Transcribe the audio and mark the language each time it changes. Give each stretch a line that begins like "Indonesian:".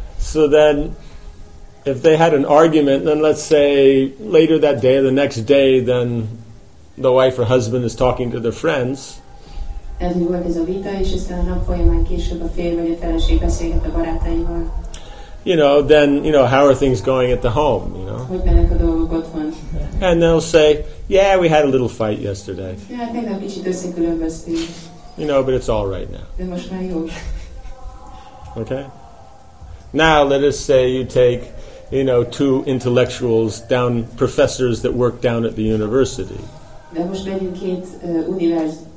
English: So then, if they had an argument, then let's say later that day, the next day, then the wife or husband is talking to their friends.
Hungarian: Ez volt ez a vita, és aztán a nap folyamán később a férj vagy a feleség beszélget a barátaival.
English: You know, then, you know, how are things going at the home, you know?
Hungarian: Hogy mennek a dolgok otthon?
English: And they'll say, yeah, we had a little fight yesterday.
Hungarian: Ja, tegnap kicsit összekülönböztünk.
English: You know, but it's all right now.
Hungarian: De most már jó.
English: Okay? Now, let us say you take, you know, two intellectuals down, professors that work down at the university.
Hungarian: De most menjünk két univerzum.